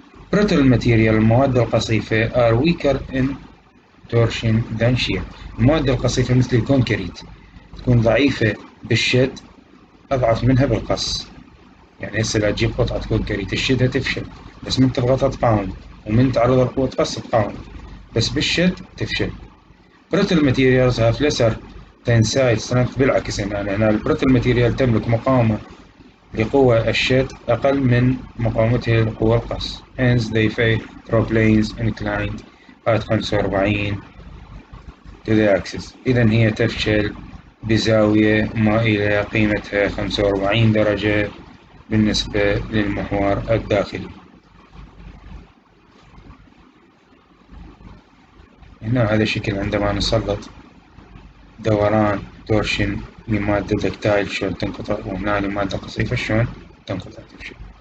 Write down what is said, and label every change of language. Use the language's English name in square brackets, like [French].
[English] Brittle material [Arabic] المواد القصيفة [English] are weaker in torsion than shear. [Arabic] المواد القصيفة مثل الكونكريت تكون ضعيفة بالشد أضعف منها بالقص. يعني هسه لو تجيب قطعة كونكريت الشدة تفشل، بس من تضغطها تقاوم ومن تعرض القوة تقص تقاوم، بس بالشد تفشل. [English] Brittle materials have lesser tensile strength. [Arabic] بالعكس يعني هنا البريتل ماتيريال تملك مقاومة لقوة الشد أقل من مقاومتها لقوة القص. [English] Hence they fail through planes inclined at 45 to the axis. [Arabic] إذا هي تفشل بزاوية مائلة قيمتها 45 درجة بالنسبة للمحور الداخلي. هنا على شكل عندما نسلط دوران تورشن لمادة داكتايل شلون تنقطع، وهنا لمادة قصيفة شلون تنقطع تمشي.